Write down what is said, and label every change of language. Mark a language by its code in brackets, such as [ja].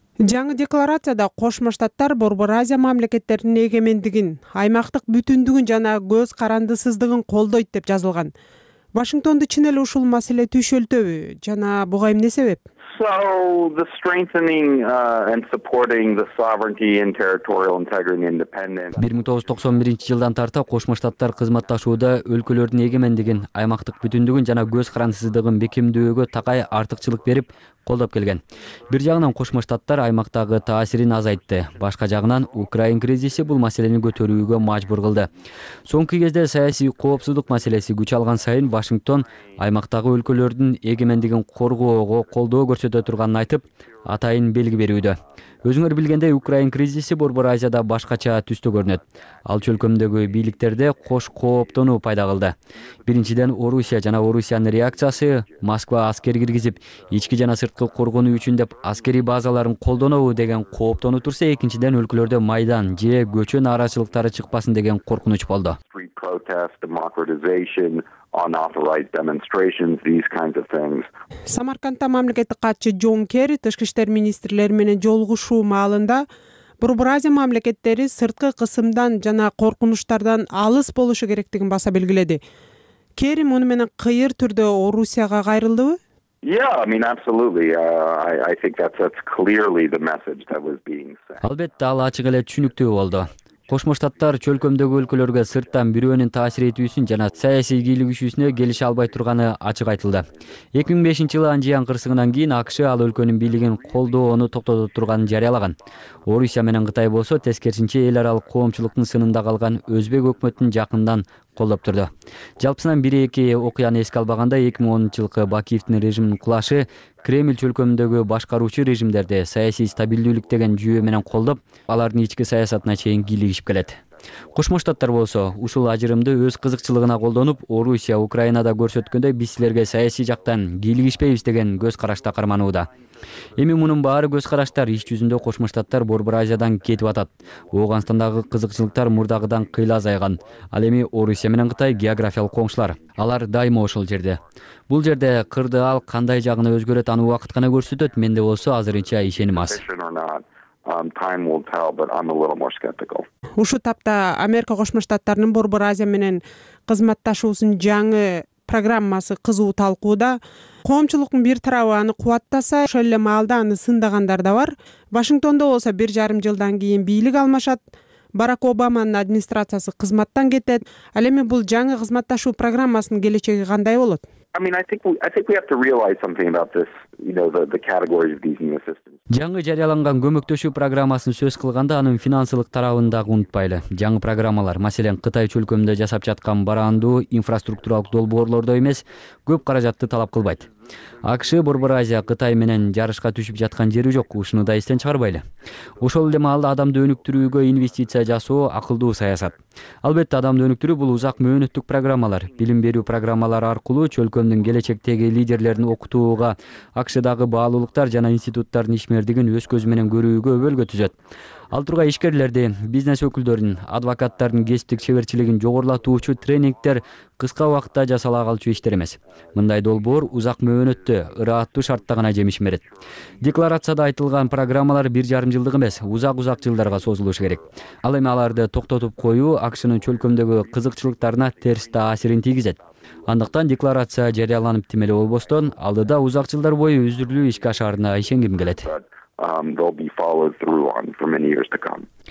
[ky] Жаңы декларацияда Кошмо Штаттар Борбор Азия мамлекеттеринин эгемендигин, аймактык бүтүндүгүн жана көз карандысыздыгын колдойт деп жазылган. Вашингтонду чын эле ушул маселе түйшөлтөбү жана буга эмне себеп? [en] So the strengthening and supporting the sovereignty and territorial integrity and independence. [ky] 1991 жылдан тарта Кошмо Штаттар кызматташууда өлкөлөрдүн эгемендигин, аймактык бүтүндүгүн жана көз карандысыздыгын бекемдөөгө такай артыкчылык берип колдоп келген. Бир жагынан Кошмо Штаттар аймактагы таасирин азайтты. Башка жагынан Украин кризиси бул маселени көтөрүүгө мажбур кылды. Соңку кезде саясий коопсуздук маселеси күч алган сайын Вашингтон аймактагы өлкөлөрдүн эгемендигин коргоого колдоо көрсөтө турганын айтып, атайын белги берүүдө. Өзүңөр билгендей, Украин кризиси Борбор Азияда башкача түстө көрүнөт. Ал чөлкөмдөгү бийликтерде кош кооптонуу пайда кылды. Биринчиден Орусия жана Орусиянын реакциясы Москва аскер киргизип, ички жана сырткы коргонуу үчүн деп аскерий базаларын колдонобу деген кооптонуу турса, экинчиден өлкөлөрдө майдан же көчө нааразылыктары чыкпасын деген коркунуч болду. [en] Unauthorized demonstrations, these kinds of things. [ky] Самарканда мамлекеттик катчы Джон Керри тышкы иштер министрлери менен жолугушуу маалында Борбор Азия мамлекеттери сырткы кысымдан жана коркунучтардан алыс болушу керектигин баса белгиледи. Керри муну менен кыйыр түрдө Орусияга кайрылдыбы? [en] Yeah, I mean absolutely. I think that's clearly the message that was being sent. [ky] Албетте, ал ачык эле түшүнүктүү болду. Кошмо Штаттар чөлкөмдөгү өлкөлөргө сырттан бирөөнүн таасир этүүсүн жана саясий кийлигишүүсүнө келише албай турганы ачык айтылды. 2005 жылы Анжиян кырсыгынан кийин АКШ ал өлкөнүн бийлигин колдоону токтото турганын жарыялаган. Орусия менен Кытай болсо тескерисинче эл аралык коомчулуктун сынында калган өзбек өкмөтүн жакындан колдоп турду. Жалпысынан 1-2 окуяны эске албаганда 2010 жылкы Бакиевдин режимин кулашы Кремль чөлкөмүндөгү башкаруучу режимдерди саясий стабилдүүлүк деген жүйө менен колдоп, алардын ички саясатына чейин кийлигишип келет. Кошмо Штаттар болсо, ушул ажырымды өз кызыкчылыгына колдонуп, Орусия Украинада көрсөткөндөй биз силерге саясий жактан кийлигишпейбиз деген көз карашта карманууда. Эми мунун баары көз караштар, иш жүзүндө Кошмо Штаттар Борбор Азиядан кетип атат. Оогандагы кызыкчылыктар мурдагыдан кыйла азайган. Ал эми Орусия менен Кытай географиялык коңшулар. Алар дайыма ошол жерде. Бул жерде кырдаал кандай жагына өзгөрөт, аны убакыт гана көрсөтөт. Менде болсо азырынча ишеним аз. [en] Time will tell, but I'm a little more skeptical. [ky] Ушу тапта Америка Кошмо Штаттарынын Борбор Азия менен кызматташуусун жаңы программасы кызуу талкууда. Коомчулуктун бир тарабы аны кубаттаса, ошол эле маалда аны сындагандар да бар. Вашингтондо болсо 1.5 жылдан кийин бийлик алмашат, Барак Обаманын администрациясы кызматтан кетет. Ал эми бул жаңы кызматташуу программасынын келечеги кандай болот? [en] I think we have to realize something about this, you know, the categories of these new assistants. [ky] Жаңы жарыяланган көмөктөшүү программасын сөз кылганда анын финансылык тарабын да унутпайлы. Жаңы программалар, маселен, Кытай чөлкөмүндө жасап жаткан барандуу инфраструктуралдык долбоорлордо эмес, көп каражатты талап кылбайт. АКШ, Борбор Азия, Кытай менен жарышка түшүп жаткан жери жок, ушуну да эстен чыгарбайлы. Ошол эле маалда адамды өнүктүрүүгө инвестиция жасоо акылдуу саясат. Албетте, адамды өнүктүрүү бул узак мөөнөттүк программалар, билим берүү программалары аркылуу чөлкөмдүн келечектеги лидерлерин окутууга, АКШдагы баалуулуктар жана институттардын ишмердигин өз көзү менен көрүүгө өбөлгө түзөт. Ал тургай ишкерлерди, бизнес өкүлдөрүн, адвокаттардын кесиптик чеберчилигин жогорулатуучу тренингдер кыска убакытта жасала калчу иштер эмес. Мындай долбоор узак мөөнөттө, ырааттуу шартта гана жемиш берет. Декларацияда айтылган программалар 1,5 жылдык эмес, узак-узак жылдарга созулушу керек. Ал эми аларды токтотуп коюу АКШнын чөлкөмдөгү кызыкчылыктарына терс таасирин тийгизет. Андыктан декларация жарыяланып тимеле болбостон, алдыда узак жылдар бою үзүрлүү ишке ашарына ишенгим келет. [en] They'll be followed through on for many years to come.